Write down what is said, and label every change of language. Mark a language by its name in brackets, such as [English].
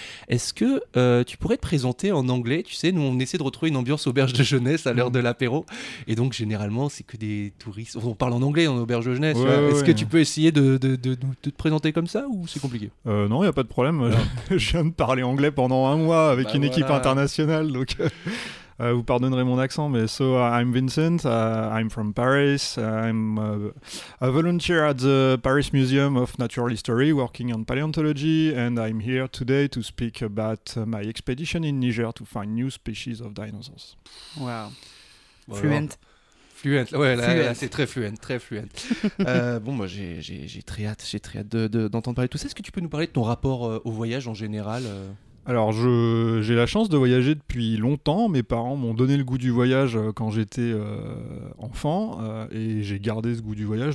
[French] Est-ce que tu pourrais te présenter en anglais? Tu sais, nous, on essaie de retrouver une ambiance auberge de jeunesse à l'heure de l'apéro. Et donc, généralement, c'est que des touristes... On parle en anglais en auberge de jeunesse. Ouais, est-ce ouais. que tu peux essayer de te présenter comme ça ou c'est compliqué? Non, il n'y a pas de problème. Je viens de parler anglais pendant un mois avec une équipe internationale. Donc... vous pardonnerez mon accent, mais [English] so I'm Vincent, I'm from Paris, I'm a volunteer at the Paris Museum of Natural History, working on paleontology, and I'm here today to speak about my expedition in Niger to find new species of dinosaurs. [French] Wow, voilà. Fluent. Fluent, ouais, là, c'est très fluent, très fluent. bon, moi, j'ai très hâte d'entendre parler de tout ça. Est-ce que tu peux nous parler de ton rapport au voyage en général? Alors, j'ai la chance de voyager depuis longtemps. Mes parents m'ont donné le goût du voyage quand j'étais enfant et j'ai gardé ce goût du voyage.